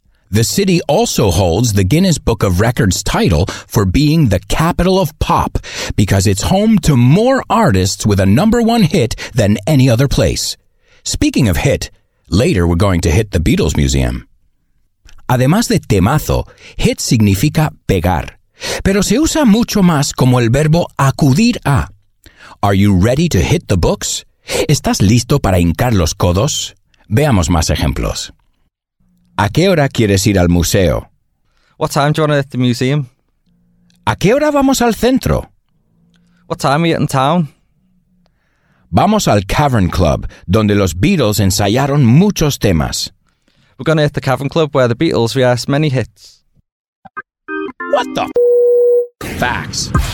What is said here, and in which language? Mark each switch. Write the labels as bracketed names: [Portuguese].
[English] The city also holds the Guinness Book of Records title for being the capital of pop because it's home to more artists with a number one hit than any other place. Speaking of hit, later we're going to hit the Beatles Museum. [Spanish] Además de temazo, hit significa pegar, pero se usa mucho más como el verbo acudir a. [English] Are you ready to hit the books? [Spanish] ¿Estás listo para hincar los codos? Veamos más ejemplos. ¿A qué hora quieres ir al museo? [English] What time do you want to hit the museum? [Spanish] ¿A qué hora vamos al centro? [English] What time are you in town? [Spanish] Vamos al Cavern Club, donde los Beatles ensayaron muchos temas. [English] We're going to hit the Cavern Club, where the Beatles rehearsed many hits. What the f***? Facts.